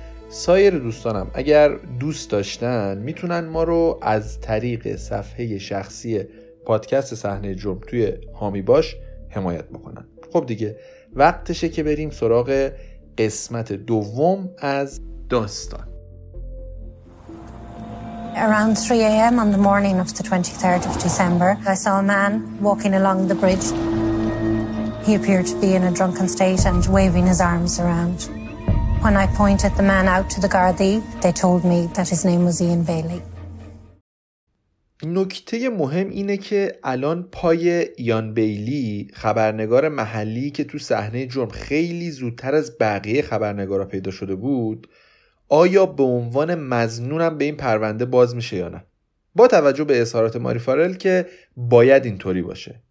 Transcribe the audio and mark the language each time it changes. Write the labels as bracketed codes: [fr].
[fa] سایر دوستانم اگر دوست داشتن میتونن ما رو از طریق صفحه شخصی پادکست صحنه جرم توی حامی باش حمایت بکنن. خب دیگه وقتشه که بریم سراغ قسمت دوم از داستان. [en] Around 3 a.m. on the morning of the 23rd of December, I saw a man walking along the bridge. He appeared to be in a drunken state and waving his arms around. When I pointed the man out to the Gardaí, they told me that his name was Ian Bailey. [fa] نکته مهم اینه که الان پای یان بیلی، خبرنگار محلی که تو صحنه جرم خیلی زودتر از بقیه خبرنگارا پیدا شده بود، آیا به عنوان مظنونم به این پرونده باز میشه یا نه؟ با توجه به اظهارات ماری فارل که باید اینطوری باشه.